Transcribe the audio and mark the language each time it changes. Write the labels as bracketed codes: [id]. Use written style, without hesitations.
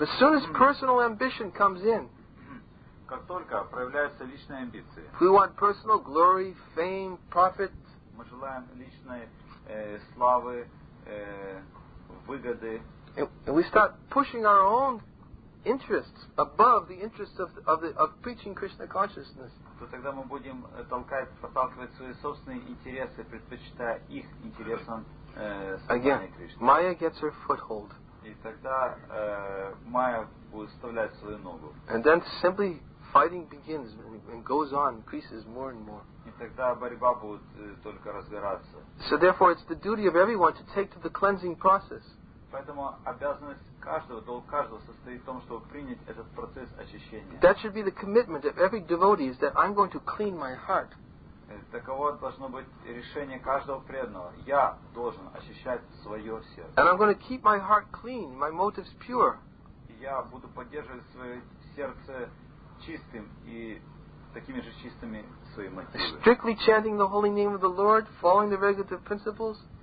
[en] But as soon as personal ambition comes in. [ru] Как только проявляются личные амбиции. [en] We want personal glory, fame, profit. [ru] Мы желаем личной славы, выгоды. [en] And we start pushing our own interests above the interests of preaching Krishna consciousness. [ru] То тогда мы будем толкать, подталкивать свои собственные интересы, предпочитая их интересам сознания Кришны. [en] Maya gets her foothold. [ru] И тогда Maya будет вставлять свою ногу. [en] And then simply fighting begins and goes on, increases more and more. [ru] И тогда борьба будет только разгораться. [en] So therefore, it's the duty of everyone to take to the cleansing process. [ru] Поэтому обязанность каждого, долг каждого состоит в том, чтобы принять этот процесс очищения. [en] That should be the commitment of every devotee, is that I'm going to clean my heart. [ru] Таково должно быть решение каждого преданного. Я должен очищать свое сердце. [en] And I'm going to keep my heart clean, my motives pure. [ru] Я буду поддерживать свое сердце чистым и такими же чистыми свои мотивы. [en] Strictly chanting the holy name of the Lord, following the regulative principles.